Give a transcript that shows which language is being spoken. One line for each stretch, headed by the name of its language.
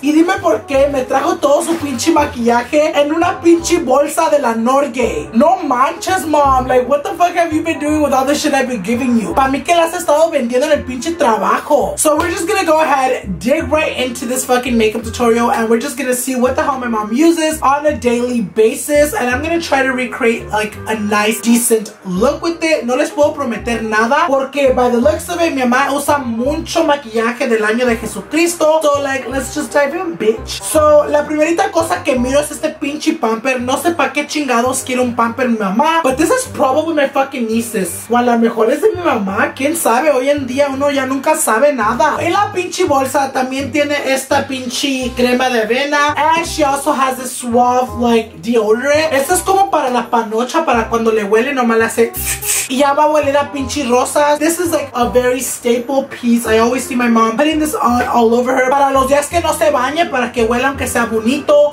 Spanish: Y dime por qué me trajo todo su pinche maquillaje en una pinche bolsa de la Norgue. No manches, mom.
English: Like, what the fuck have you been doing with all the shit I've been giving you?
Spanish: Pa' mí que las he estado vendiendo en el pinche trabajo.
English: So we're just gonna go ahead, dig right into this fucking makeup tutorial, and we're just gonna see what the hell my mom uses on a daily basis, and I'm gonna try to recreate, like, a nice, decent look with it.
Spanish: No les puedo prometer nada, porque
English: by the looks of it,
Spanish: mi mamá usa mucho maquillaje del año de Jesucristo.
English: So, like, let's just dive in, bitch.
Spanish: So, la primerita cosa que miro es este pinche pamper. No sé pa' qué chingados quiere un pamper mi mamá,
English: but this is probably my fucking nieces.
Spanish: O a lo mejor es de mi mamá, quién sabe. Hoy en día uno ya nunca sabe nada. En la pinche bolsa también tiene esta pinche crema de avena.
English: And she also has this suave, like, deodorant.
Spanish: Esto es como para la panocha, para cuando le huele, nomás le hace... Y ya va a oler a pinche rosas.
English: This is like a very staple piece. I always see my mom putting this on all over her.
Spanish: Para los días que no se bañe, para que huela aunque sea bonito.